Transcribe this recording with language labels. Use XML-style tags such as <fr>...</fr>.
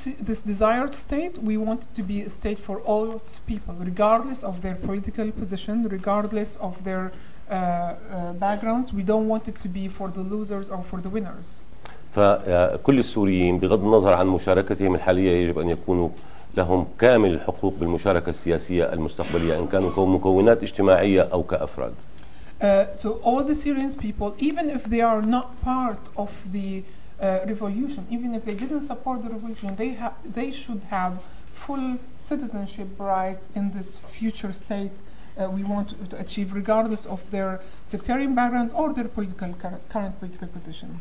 <en>This desired state, we want it to be a state for all its people, regardless of their political position, regardless of their backgrounds. We don't want it to be for the losers or for the winners.</en> <ar>فكل السوريين بغض النظر عن مشاركتهم الحالية يجب أن يكونوا لهم كامل الحقوق بالمشاركة السياسية المستقبلية إن كانوا كمكونات اجتماعية أو كأفراد.</ar> <en>So all the Syrian people, even if they are not part of the revolution, even if they didn't support the revolution, they should have full citizenship rights in this future state we want to achieve, regardless of their sectarian background or their political current political position.</en>